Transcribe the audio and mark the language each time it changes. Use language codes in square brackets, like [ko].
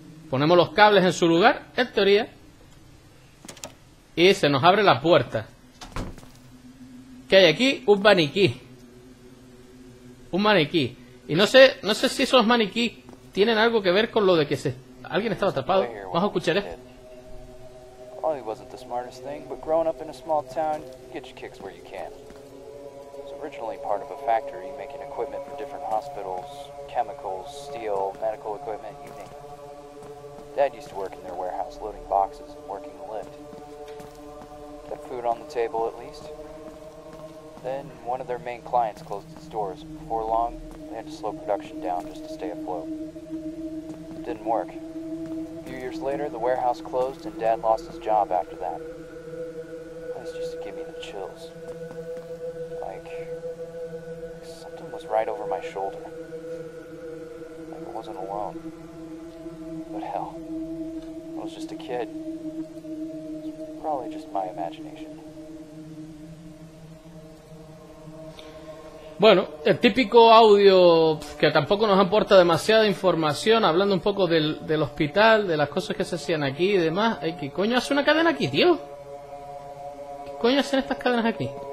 [es] Ponemos los cables en su lugar, en teoría, y se nos abre la puerta. que hay aquí un maniquí. Un maniquí. Y no sé si esos maniquís tienen algo que ver con lo de que se alguien estaba atrapado. Vamos a escuchar esto. [en] Well, he wasn't the smartest thing, but growing up in a small town, you get your kicks where you can. He was originally part of a factory making equipment for different hospitals, chemicals, steel, medical equipment, you name it. Dad used to work in their warehouse loading boxes and working the lift. Kept food on the table at least. Then one of their main clients closed its doors. Before long, they had to slow production down just to stay afloat. It didn't work. A few years later, the warehouse closed and Dad lost his job after that. That's just to give me the chills. Like something was right over my shoulder. Like I wasn't alone. But hell, I was just a kid. It was probably just my imagination. [es] Bueno, el típico audio que tampoco nos aporta demasiada información, hablando un poco del hospital, de las cosas que se hacían aquí y demás. Ay, ¿qué coño hace una cadena aquí, tío? ¿Qué coño hacen estas cadenas aquí?